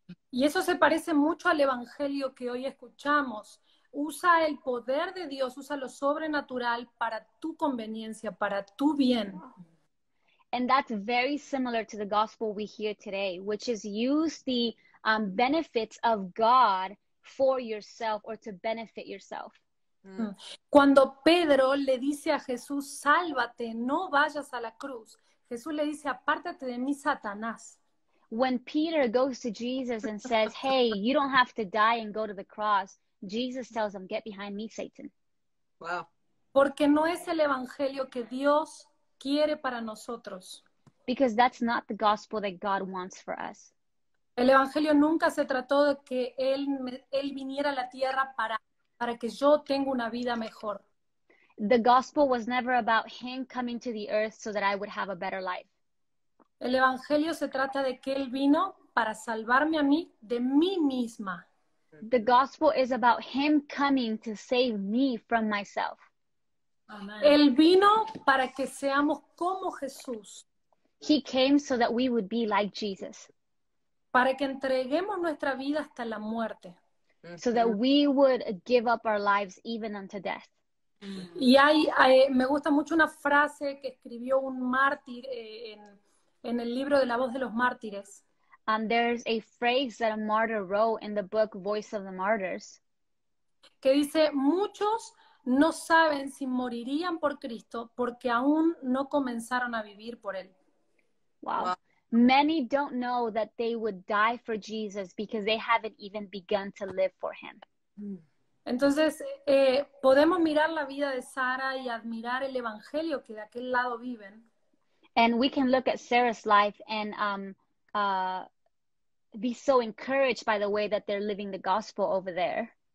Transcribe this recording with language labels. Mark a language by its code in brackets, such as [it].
[es] Y eso se parece mucho al evangelio que hoy escuchamos. Usa el poder de Dios, usa lo sobrenatural para tu conveniencia, para tu bien. [en] And that's very similar to the gospel we hear today, which is use the benefits of God for yourself or to benefit yourself. [es] Cuando Pedro le dice a Jesús, sálvate, no vayas a la cruz, Jesús le dice, apártate de mí, Satanás. [en] When Peter goes to Jesus and says, hey, you don't have to die and go to the cross, Jesus tells him, get behind me, Satan. Wow. [es] Porque no es el evangelio que Dios quiere para nosotros. [en] Because that's not the gospel that God wants for us. [es] El evangelio nunca se trató de que él viniera a la tierra para que yo tenga una vida mejor. [en] The gospel was never about him coming to the earth so that I would have a better life. [es] El evangelio se trata de que él vino para salvarme a mí de mí misma. [en] The gospel is about him coming to save me from myself. [es] Amen. Él vino para que seamos como Jesús. [en] He came so that we would be like Jesus. [es] Para que entreguemos nuestra vida hasta la muerte. [en] So that we would give up our lives even unto death. [es] Y hay, me gusta mucho una frase que escribió un mártir en el libro de La Voz de los Mártires. [en] And there's a phrase that a martyr wrote in the book Voice of the Martyrs. [es] Que dice, muchos no saben si morirían por Cristo porque aún no comenzaron a vivir por él. Wow. Wow. [en] Many don't know that they would die for Jesus because they haven't even begun to live for him. [es] Entonces, podemos mirar la vida de Sara y admirar el evangelio que de aquel lado viven. [en] And we can look at Sarah's life and be so encouraged by the way that they're living the gospel over there.